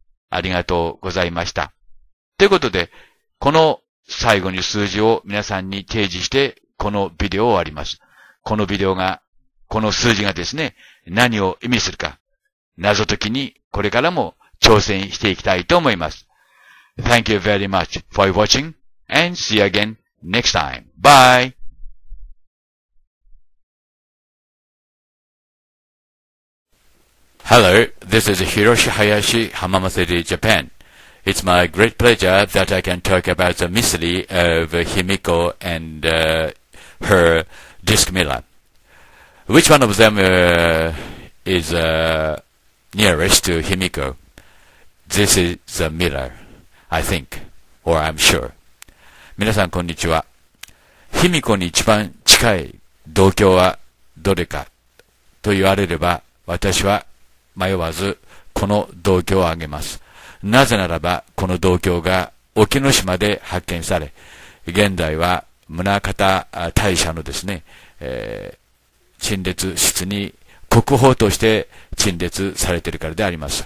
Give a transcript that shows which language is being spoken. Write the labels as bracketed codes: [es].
[ja] ありがとうございました。ということで、この最後に数字を皆さんに提示してこのビデオを終わります。このビデオがこの数字がですね、何を意味するか、謎解きにこれからも挑戦していきたいと思います。 [en] Thank you very much for watching and see you again next time. Bye! Hello, this is Hiroshi Hayashi, Hamamatsuri, Japan. It's my great pleasure that I can talk about the mystery of Himiko and her disc mirror. Which one of them is nearest to Himiko? This is the mirror, I think, or I'm sure. [ja] 皆さんこんにちは。ヒミコに一番近い同郷はどれかと言われれば、私は迷わずこの同郷を挙げます。なぜならばこの同郷が沖ノ島で発見され、現在は宗像大社のですね、陳列室に国宝として陳列されているからであります。